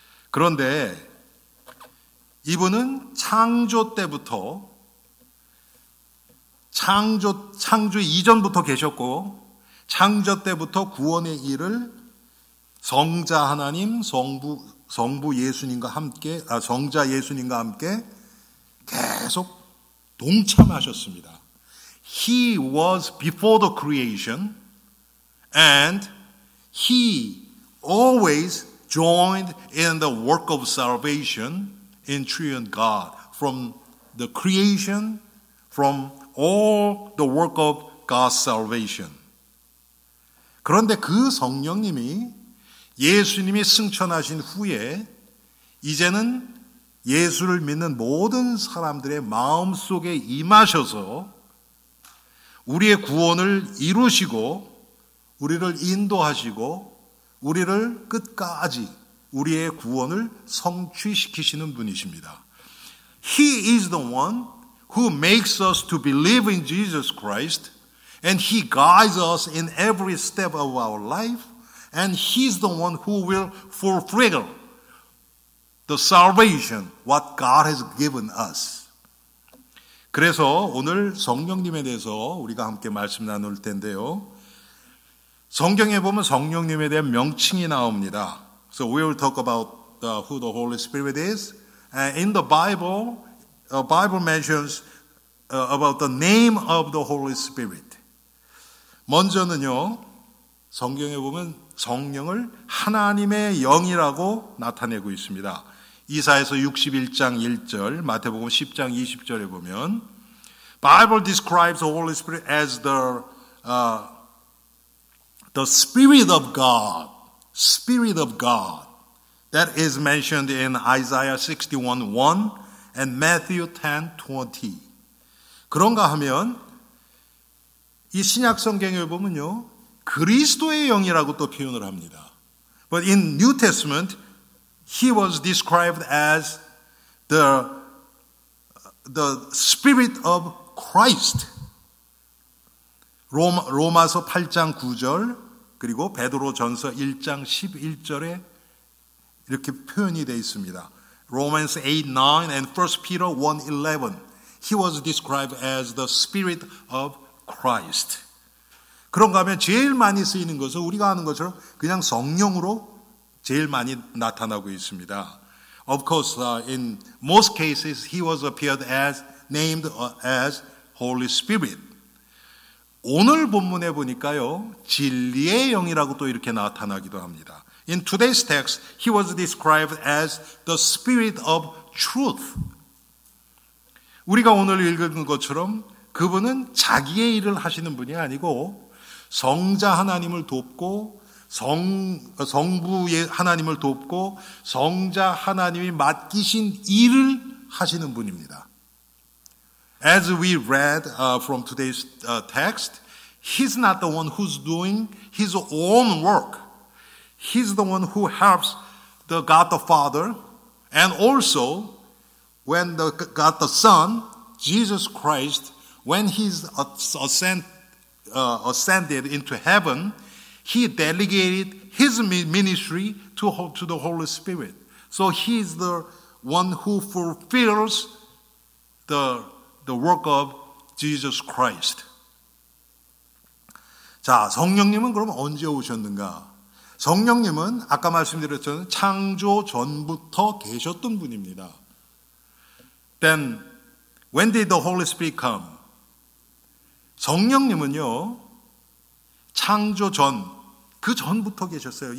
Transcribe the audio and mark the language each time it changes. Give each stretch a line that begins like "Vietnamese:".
Korean: 그런데 이분은 창조 때부터 창조 이전부터 계셨고 창조 때부터 구원의 일을 성자 하나님 성부 예수님과 함께 성자 예수님과 함께 계속 동참하셨습니다.
English: He was before the creation and he always joined in the work of salvation in triune God from the creation from all the work of God's salvation.
Korean: 그런데 그 성령님이 예수님이 승천하신 후에 이제는 예수를 믿는 모든 사람들의 마음속에 임하셔서 우리의 구원을 이루시고 우리를 인도하시고 우리를 끝까지 우리의 구원을 성취시키시는 분이십니다.
English: He is the one who makes us to believe in Jesus Christ and he guides us in every step of our life and he's the one who will fulfill the salvation what God has given us.
Korean: 그래서 오늘 성령님에 대해서 우리가 함께 말씀 나눌 텐데요. 성경에 보면 성령님에 대한 명칭이 나옵니다.
English: So we will talk about who the Holy Spirit is. And in the Bible, Bible mentions about the name of the Holy Spirit.
Korean: 먼저는요, 성경에 보면 성령을 하나님의 영이라고 나타내고 있습니다. 이사야서 61장 1절, 마태복음 10장 20절에 보면
English: Bible describes the Holy Spirit as the Spirit of God. Spirit of God. That is mentioned in Isaiah 61:1 and Matthew 10:20.
Korean: 그런가 하면 이 신약 성경에 보면요. 그리스도의 영이라고 또 표현을 합니다.
English: But in New Testament He was described as the Spirit of Christ.
Korean: 로마서 8장 9절 그리고 베드로 전서 1장 11절에 이렇게 표현이 되어 있습니다.
English: Romans 8:9 and 1 Peter 1:11. He was described as the Spirit of Christ.
Korean: 그런가 하면 제일 많이 쓰이는 것은 우리가 아는 것처럼 그냥 성령으로 제일 많이 나타나고 있습니다.
English: Of course, in most cases, he was appeared as named as Holy Spirit.
Korean: 오늘 본문에 보니까요, 진리의 영이라고 또 이렇게 나타나기도 합니다.
English: In today's text, he was described as the Spirit of Truth.
Korean: 우리가 오늘 읽은 것처럼 그분은 자기의 일을 하시는 분이 아니고 성자 하나님을 돕고 성부의 하나님을 돕고 성자 하나님이 맡기신 일을 하시는 분입니다.
English: As we read from today's text, he's not the one who's doing his own work. He's the one who helps the God the Father and also when the God the Son, Jesus Christ, when he's ascended into heaven, He delegated his ministry to the Holy Spirit. So he is the one who fulfills the work of Jesus Christ.
Korean: 자, 성령님은 그럼 언제 오셨는가? 성령님은 아까 말씀드렸던 창조 전부터 계셨던 분입니다.
English: Then, when did the Holy Spirit come?
Korean: 성령님은요, 창조 전, 그 전부터 계셨어요.